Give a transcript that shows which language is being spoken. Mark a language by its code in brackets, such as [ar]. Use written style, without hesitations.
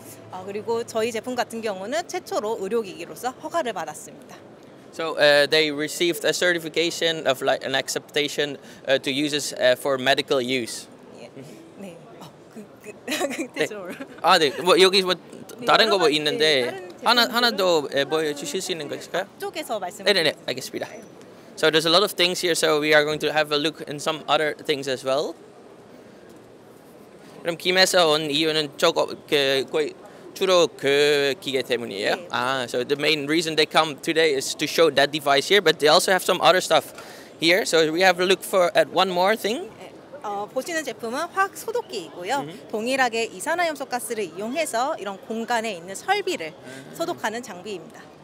[ko] 아 그리고 저희 제품 같은 경우는 최초로 의료기기로서 허가를 받았습니다. [en] So they received a certification of like an acceptation to use this for medical use. Yeah. [ko] 네. 아, 네. 여기 뭐 다른 거 뭐 있는데 하나 더 보여주실 수 있는 거 있을까요? 쪽에서 말씀. 네네네. 알겠습니다. [en] So there's a lot of things here. So we are going to have a look in some other things as well. [ko] 그럼 김에서 온 이유는 저거 거의. 주로 그 기계 때문이에요. 네. [en] 아, so the main reason they come today is to show that device here, but they also have some other stuff here. So we have a look for at one more thing. [ko] 보시는 제품은 화학 소독기이고요. 동일하게 이산화염소 가스를 이용해서 이런 공간에 있는 설비를 소독하는 장비입니다.